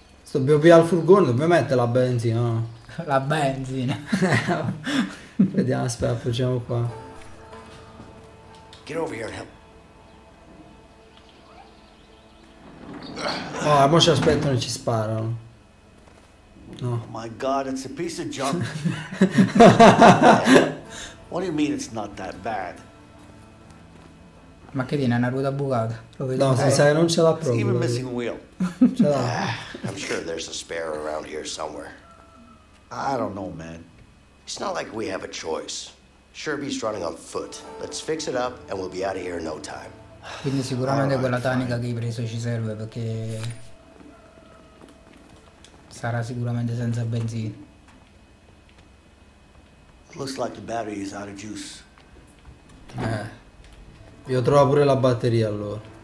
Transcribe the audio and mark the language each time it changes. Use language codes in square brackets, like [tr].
[it] Dobbiamo pigliare il furgone, dobbiamo mettere la benzina. No? La benzina. Vediamo, aspetta, facciamo qua. [en] Get over here and help. [it] Oh, mo ci aspettano e ci sparano. No. [en] Oh my god, it's a piece of junk. What do you mean it's not that bad? [it] Ma che viene, è una ruota bucata. Lo vedo. No, sai che non ce l'ha proprio. [en] Even missing wheel. [it] Ce l'ha. [en] I'm sure there's a spare around here somewhere. I don't know, man. It's not like we have a choice. Sherby's running on foot. Let's fix it up and we'll be out of here in no time. [it] Quindi sicuramente quella tanica che hai preso ci serve, perché sarà sicuramente senza benzina. [en] Looks like the battery is out of juice. [it] Io trovo pure la batteria allora.